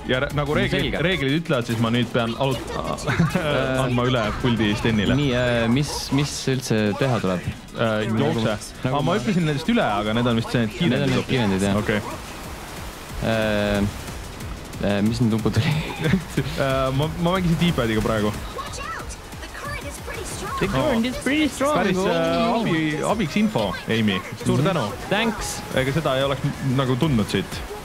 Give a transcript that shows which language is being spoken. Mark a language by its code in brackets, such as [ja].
[et] Ja nagu reeglid ütlevad, siis ma nüüd pean andma üle puldi Stenile. Nii, mis üldse teha tuleb? Jookse. Ma ütlesin nendest üle, aga need on vist see need kiirendid. Need on need kiirendid, jah. Okei. Mis need umbud oli? Ma mängisin D-padiga praegu. [en] The current is pretty strong. [et] Päris abiks info, Amy. Suur tänu. [en] Thanks. [et] Ega seda ei oleks nagu tundnud siit.